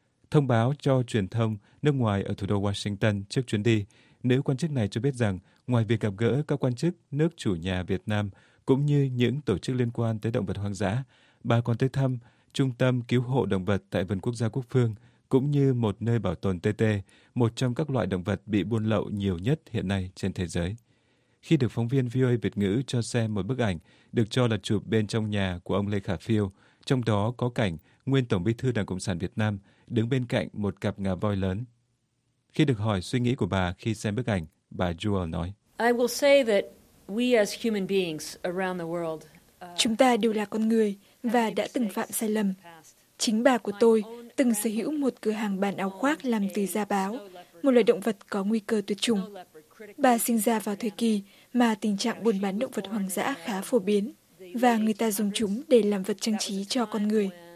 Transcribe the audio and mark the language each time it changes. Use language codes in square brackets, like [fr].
[vi] Thông báo cho truyền thông nước ngoài ở thủ đô Washington trước chuyến đi, nữ quan chức này cho biết rằng ngoài việc gặp gỡ các quan chức nước chủ nhà Việt Nam cũng như những tổ chức liên quan tới động vật hoang dã, bà còn tới thăm Trung tâm Cứu hộ Động vật tại Vườn Quốc gia Quốc Phương, cũng như một nơi bảo tồn TT, một trong các loại động vật bị buôn lậu nhiều nhất hiện nay trên thế giới. Khi được phóng viên VOA Việt ngữ cho xem một bức ảnh được cho là chụp bên trong nhà của ông Lê Khả Phiêu, trong đó có cảnh nguyên Tổng Bí thư Đảng Cộng sản Việt Nam đứng bên cạnh một cặp ngà voi lớn. Khi được hỏi suy nghĩ của bà khi xem bức ảnh, bà Jewell nói: [en] I will say that we as human beings around the world, [vi] chúng ta đều là con người và đã từng phạm sai lầm. Chính bà của tôi từng sở hữu một cửa hàng bán áo khoác làm từ da báo, một loài động vật có nguy cơ tuyệt chủng. Bà sinh ra vào thời kỳ mà tình trạng buôn bán động vật hoang dã khá phổ biến và người ta dùng chúng để làm vật trang trí cho con người.